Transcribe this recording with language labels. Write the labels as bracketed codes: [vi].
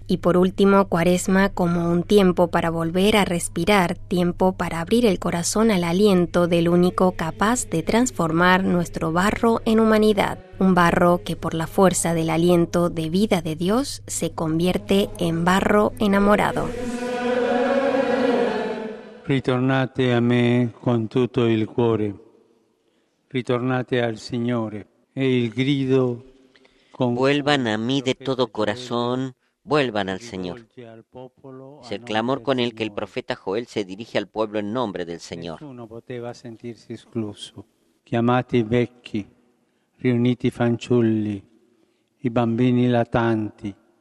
[es] Y por último, Cuaresma como un tiempo para volver a respirar, tiempo para abrir el corazón al aliento del único capaz de transformar nuestro barro en humanidad. Un barro que por la fuerza del aliento de vida de Dios se convierte en barro enamorado. [it] Ritornate a me con tutto il cuore, ritornate al Signore, e il grido con... [es] Vuelvan a mí de todo corazón, vuelvan al Señor. Es el clamor con el que el profeta Joel se dirige al pueblo en nombre del Señor. [it] Nessuno poteva sentirsi escluso. Chiamate i vecchi, riuniti i fanciulli, i bambini latanti.